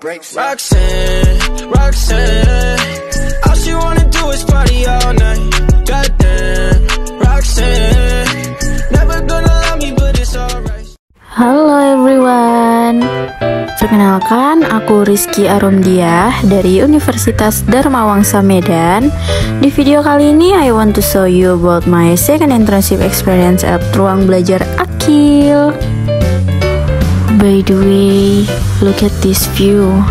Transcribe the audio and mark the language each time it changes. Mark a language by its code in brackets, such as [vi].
[en] Roxanne, Roxanne, all she wanna do is party all night. Goddamn, Roxanne, never gonna love me, but it's alright. Hello everyone. [id] Perkenalkan, aku Rizky Arumdiah dari Universitas Dharma Wangsa Medan. Di video kali ini, [en] I want to show you about my second internship experience at Ruang Belajar Akil. By the way, look at this view.